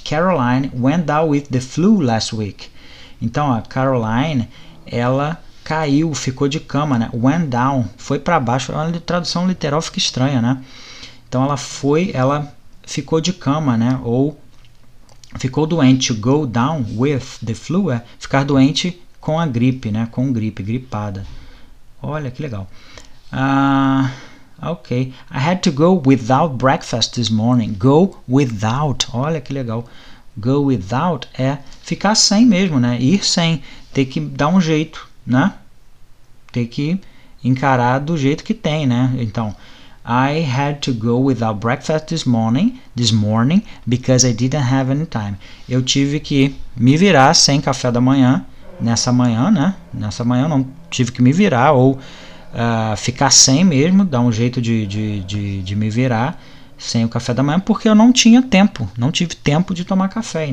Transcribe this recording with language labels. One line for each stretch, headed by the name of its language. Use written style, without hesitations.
English: Caroline went down with the flu last week.
Portuguese: Então, a Caroline, ela caiu, ficou de cama, né?
English: Went down.
Portuguese: Foi para baixo. Olha, a tradução literal fica estranha, né? Então, ela ficou de cama, né? Ou ficou doente,
English: to go down with the flu,
Portuguese: é ficar doente com a gripe, né? Com gripe, gripada. Olha que legal. Ok.
English: I had to go without breakfast this morning. Go without.
Portuguese: Olha que legal. Go without é ficar sem mesmo, né? Ir sem. Ter que dar um jeito, né? Ter que encarar do jeito que tem, né?
English: Então, I had to go without breakfast this morning, because I didn't have any time.
Portuguese: Eu tive que me virar sem café da manhã, nessa manhã, né? Nessa manhã eu não tive que me virar, ou ficar sem mesmo, dar um jeito de me virar sem o café da manhã, porque eu não tinha tempo, não tive tempo de tomar café.